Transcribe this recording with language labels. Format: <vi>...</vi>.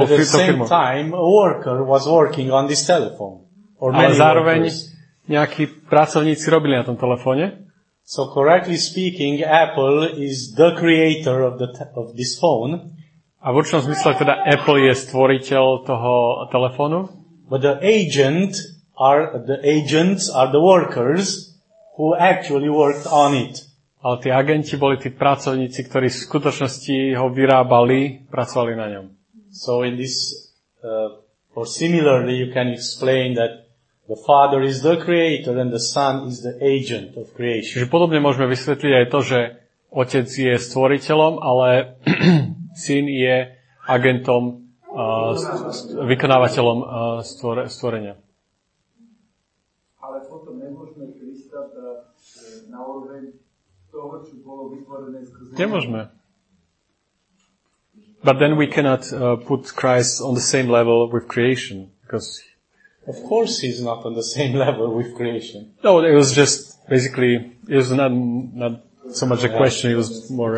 <en>at the same time, a worker was working on this telephone. Or</en> <sk>ale zároveň</sk> <en>workers.</en> <sk>Nejakí pracovníci robili na tom telefóne.</sk> <en>So correctly speaking, Apple is the creator of this phone.</en> <sk>A v určitom zmysle teda Apple je stvoriteľ toho telefónu.</sk> <en>But the agents are the workers who actually worked on it.</en> <sk>Ale tí agenti boli tí pracovníci, ktorí v skutočnosti ho vyrábali, pracovali na ňom.</sk> <en>So in this or similarly you can explain that the Father is the creator and the Son is the agent of creation.</en> <sk>Čiže podobne môžeme vysvetliť aj to, že Otec je stvoriteľom, ale Syn je agentom vykonávateľom stvorenia. Ale potom nemôžeme Krista na úroveň toho, čo bolo vytvorené skrze. Nemôžeme.</sk> <en>But then we cannot put Christ on the same level with creation, because of course he's not on the same level with creation. No, it was just basically it was not so much a question, it was more</en>